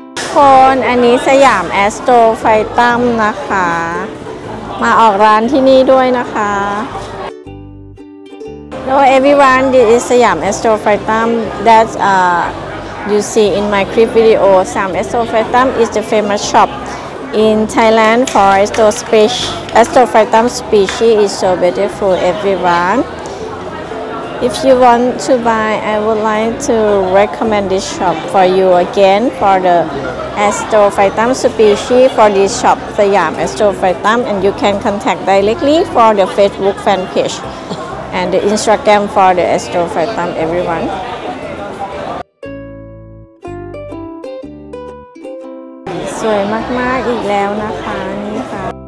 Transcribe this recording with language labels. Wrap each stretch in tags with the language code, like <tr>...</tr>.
<th>คนอันนี้สยามแอสโตรไฟตัมนะคะมาออกร้านที่นี่ด้วยนะคะ</th> <en>Hello everyone, this is สยามแอสโตรไฟตัม that you see in my clip video สยามแอสโตรไฟตัม is the famous shopIn Thailand, for Astrophytum species is so beautiful, everyone. If you want to buy, I would like to recommend this shop for you again for the Astrophytum species for this shop, Siam Astrophytum, and you can contact directly for the Facebook fan page and the Instagram for the Astrophytum, everyone.</en> <th>สวยมากมากอีกแล้วนะคะนี่ค่ะ</th>